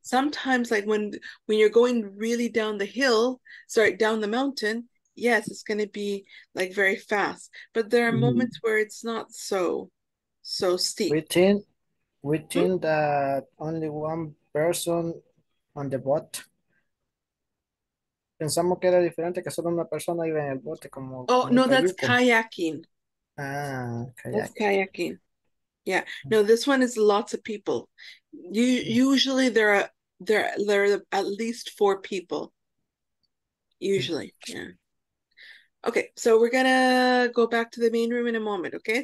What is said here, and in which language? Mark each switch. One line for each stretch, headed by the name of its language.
English: Sometimes like when you're going really down the hill, sorry, down the mountain, yes, it's going to be like very fast, but there are moments where it's not so steep. Within that, only one person on the boat.
Spanish: Pensamos que era diferente, que solo una persona iba en el bote como...
English: Oh, no, that's kayaking. Ah, kayaking. That's kayaking. Yeah, no, this one is lots of people. Usually there are at least four people. Usually, yeah. Okay, so we're going to go back to the main room in a moment, okay?